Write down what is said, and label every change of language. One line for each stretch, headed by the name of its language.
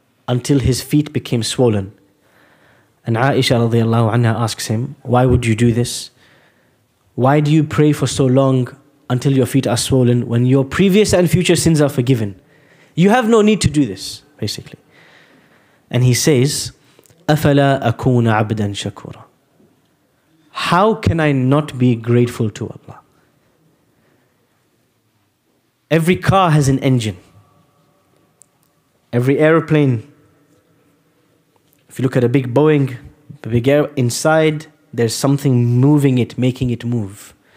English: Until his feet became swollen. And Aisha radiallahu anha asks him, why would you do this? Why do you pray for so long until your feet are swollen when your previous and future sins are forgiven? You have no need to do this, basically. And he says,
Arabic: أَفَلَا أَكُونَ عَبْدًا شَكُورًا.
English: How can I not be grateful to Allah? Every car has an engine. Every airplane, if you look at a big Boeing, a big air, inside there's something moving it, making it move.